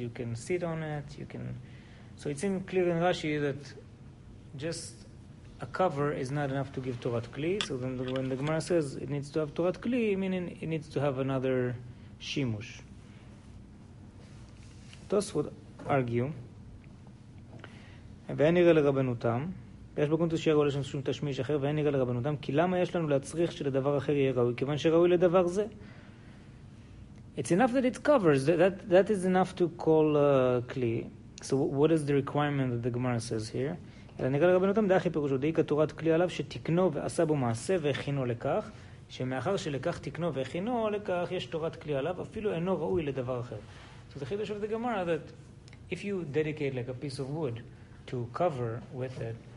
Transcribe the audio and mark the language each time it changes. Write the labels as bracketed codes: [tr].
[en] You can sit on it. You can. So it seems clear in Rashi that just a cover is not enough to give Torat Kli. So then, when the Gemara says it needs to have Torat Kli, meaning it needs to have another shimush. Tos would argue. [he] ואין נראה לרבנותם, יש בקונטוס שיהיה ראוי לשם שום תשמיש אחר, ואין נראה לרבנותם, כי למה יש לנו להצריך שלדבר אחר יהיה ראוי, כיוון שראוי לדבר זה? [en] It's enough that it covers, that is enough to call כלי. So what is the requirement that the Gemara says here? [he] אלא נראה לרבנותם, דאחי פירושו, דאי כתורת כלי עליו שתקנו ועשה בו מעשה והכינו לכך, שמאחר שלכך תקנו והכינו לכך, יש תורת כלי עליו, אפילו אינו ראוי לדבר אחר. [en] So the חידוש of the Gemara that if you dedicate like a piece of wood, to cover with it,